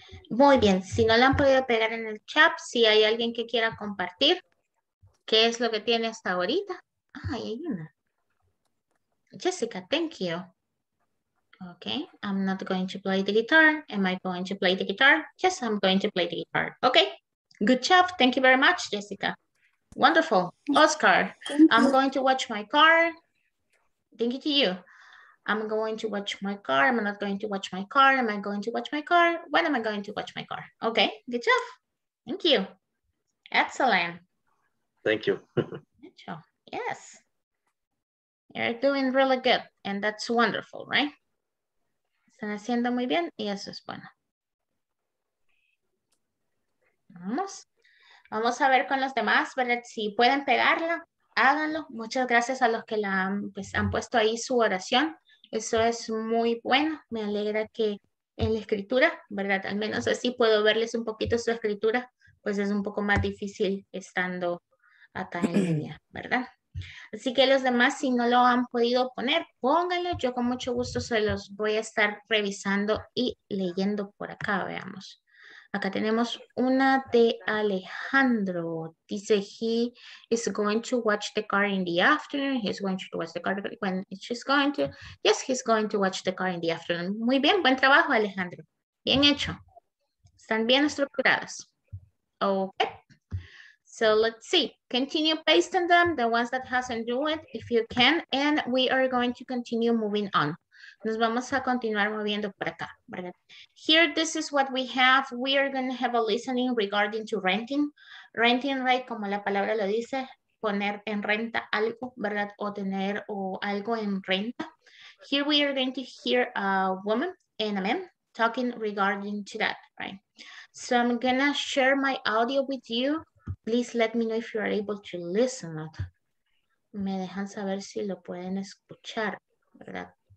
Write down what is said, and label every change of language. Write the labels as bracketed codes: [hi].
[es] Muy bien, si no la han podido pegar en el chat, si hay alguien que quiera compartir, ¿qué es lo que tiene hasta ahorita? Ah, ahí hay una. Jessica, [en] thank you. Okay, I'm not going to play the guitar. Am I going to play the guitar? Yes, I'm going to play the guitar. Okay, good job. Thank you very much, Jessica. Wonderful. Oscar, I'm going to watch my car. thank you to you. I'm going to watch my car. I'm not going to watch my car. Am I going to watch my car? When am I going to watch my car? Okay, good job. Thank you. Excellent. Thank you. Good job. Yes. You're doing really good, and that's wonderful, right? [es] Están haciendo muy bien, y eso es bueno. Vamos. Vamos a ver con los demás, ¿verdad? Si pueden pegarla, háganlo. Muchas gracias a los que la han, pues, han puesto ahí su oración. Eso es muy bueno. Me alegra que en la escritura, ¿verdad? Al menos así puedo verles un poquito su escritura, pues es un poco más difícil estando acá en línea, ¿verdad? Así que los demás, si no lo han podido poner, pónganlo. Yo con mucho gusto se los voy a estar revisando y leyendo por acá, veamos. Acá tenemos una de Alejandro. Dice, [en] he is going to watch the car in the afternoon. He's going to watch the car when she's going to. Yes, he's going to watch the car in the afternoon. [es] Muy bien, buen trabajo, Alejandro. Bien hecho. Están bien estructuradas. [en] Okay. So let's see. Continue pasting them, the ones that hasn't do it, if you can. And we are going to continue moving on. [es] Nos vamos a continuar moviendo por acá, ¿verdad? [en] Here, this is what we have. We are going to have a listening regarding to renting. Renting, right, [es] como la palabra lo dice, poner en renta algo, ¿verdad? O tener o algo en renta. [en] Here we are going to hear a woman and a man talking regarding to that, right? So I'm going to share my audio with you. Please let me know if you are able to listen. [es] Me dejan saber si lo pueden escuchar, ¿verdad?